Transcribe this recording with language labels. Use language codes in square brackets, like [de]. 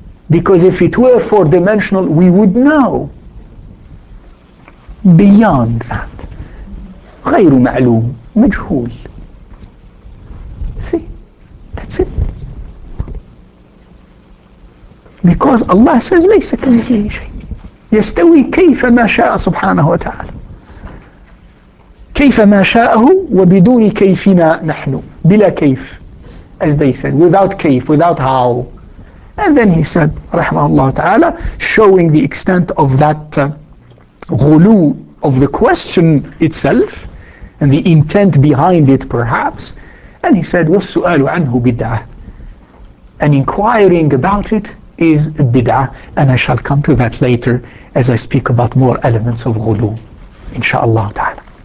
[en] Because if it were four dimensional, we would know. Beyond that. [ar] غير معلوم, مجهول. [en] See, that's it. Because Allah says, [ar] ليس كمثله شيء. يستوي كيف ما شاء سبحانه وتعالى. كيف ما شاءه وبدون كيفنا نحن. بلا كيف. [en] As they said, without كيف, without how. And then he said, رحمه الله تعالى, showing the extent of that غلو of the question itself and the intent behind it perhaps, and he said, [ar] وَالسُّؤَالُ عَنْهُ بِدْعَةٌ, [en] and inquiring about it is bid'ah, and I shall come to that later as I speak about more elements of ghulu, insha'Allah ta'ala.